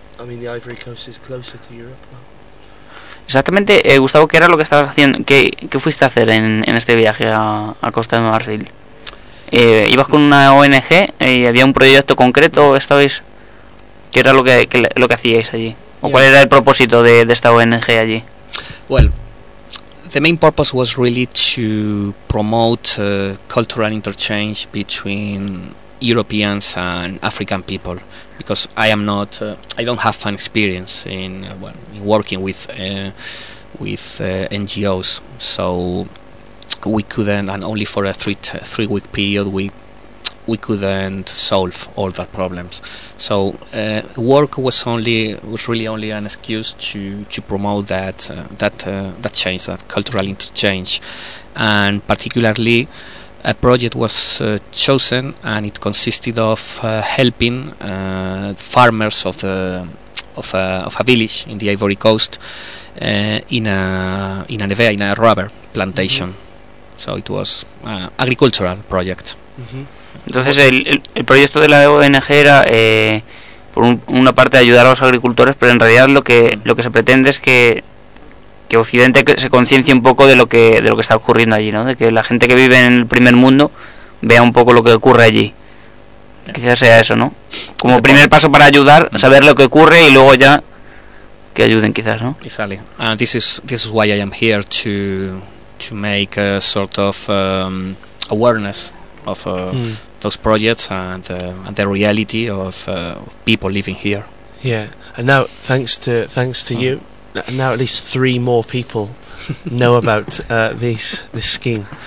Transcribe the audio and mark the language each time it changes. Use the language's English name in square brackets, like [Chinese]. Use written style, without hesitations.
[English] I mean, the Ivory Coast is closer to Europe. [Spanish] Exactamente, Gustavo, ¿qué era lo que estabas haciendo? ¿Qué fuiste a hacer en este viaje a Costa de Marfil? ¿Ibas con una ONG y había un proyecto concreto? ¿Estabais? ¿Qué era lo que hacíais allí? ¿O cuál era el propósito de esta ONG allí? [English] Well, the main purpose was really to promote cultural interchange between Europeans and African people, because I am not, I don't have an experience in working with NGOs, so we couldn't, and only for a three week period, we couldn't solve all the problems. So work was really only an excuse to promote that change, that cultural interchange. And particularly, a project was chosen, and it consisted of helping farmers of a village in the Ivory Coast in a rubber plantation. Mm-hmm. So it was an agricultural project. Mm-hmm. [Spanish] Entonces el proyecto de la ONG era por una parte ayudar a los agricultores, pero en realidad lo que se pretende es que Occidente se conciencie un poco de lo que está ocurriendo allí, ¿no? De que la gente que vive en el primer mundo vea un poco lo que ocurre allí. Yeah. Quizás sea eso, ¿no? Como primer paso para ayudar, saber lo que ocurre y luego ya que ayuden quizás, ¿no? [English] Exactly. And this is why I am here to make a sort of awareness of those projects and the reality of people living here. Yeah, and now thanks to you, now at least three more people know about this scheme.